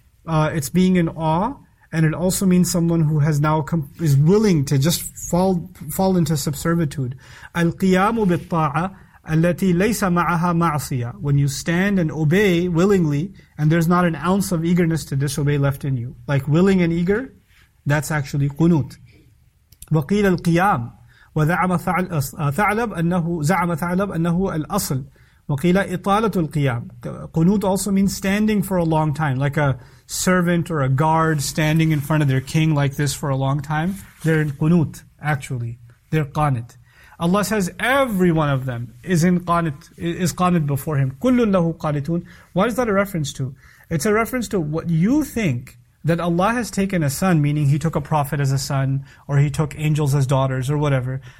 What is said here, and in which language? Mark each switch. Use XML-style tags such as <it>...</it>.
<en>It's being in awe. And it also means someone who has now is willing to just fall into subservitude.</en> <ar>Al-qiyamu bil-ta'a. التي ليس معها معصية.</ar> <en>When you stand and obey willingly, and there's not an ounce of eagerness to disobey left in you. Like willing and eager, that's actually قنوت.</en> <ar>وقيل القيام وزعم ثعلب أنه زعم ثعلب أنه الأصل. وقيل إطالة القيام.</ar> <en>قنوت also means standing for a long time, like a servant or a guard standing in front of their king like this for a long time. They're in قنوت, actually. They're قانت. Allah says every one of them is qanit before Him.</en> <ar>Kullun lahu qanitun.</ar> <en>What is that a reference to? It's a reference to what you think that Allah has taken a son, meaning He took a prophet as a son, or He took angels as daughters, or whatever.</en>